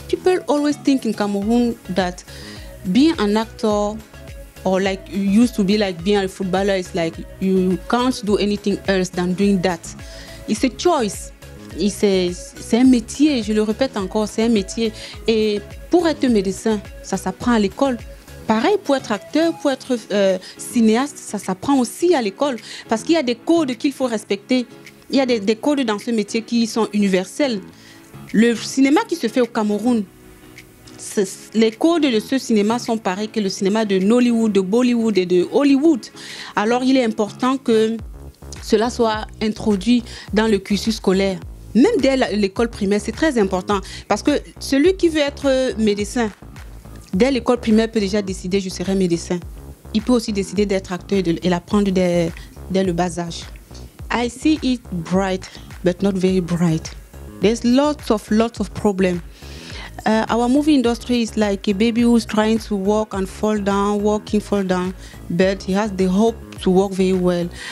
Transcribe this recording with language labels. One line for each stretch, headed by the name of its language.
English: People always think in Cameroon that being an actor, or like you used to be like being a footballer, is like you can't do anything else than doing that. It's a choice.
French: C'est un métier, je le répète encore, c'est un métier. Et pour être médecin, ça s'apprend à l'école. Pareil, pour être acteur, pour être cinéaste, ça s'apprend aussi à l'école. Parce qu'il y a des codes qu'il faut respecter. Il y a des codes dans ce métier qui sont universels. Le cinéma qui se fait au Cameroun, les codes de ce cinéma sont pareils que le cinéma de Nollywood, de Bollywood et de Hollywood. Alors il est important que cela soit introduit dans le cursus scolaire. même dès l'école primaire, c'est très important. Parce que celui qui veut être médecin, dès l'école primaire, peut déjà décider je serai médecin. Il peut aussi décider d'être acteur et l'apprendre dès le bas âge.
English: I see it bright, but not very bright. There's lots of problems. Our movie industry is like a baby who's trying to walk and fall down, but he has the hope to walk very well.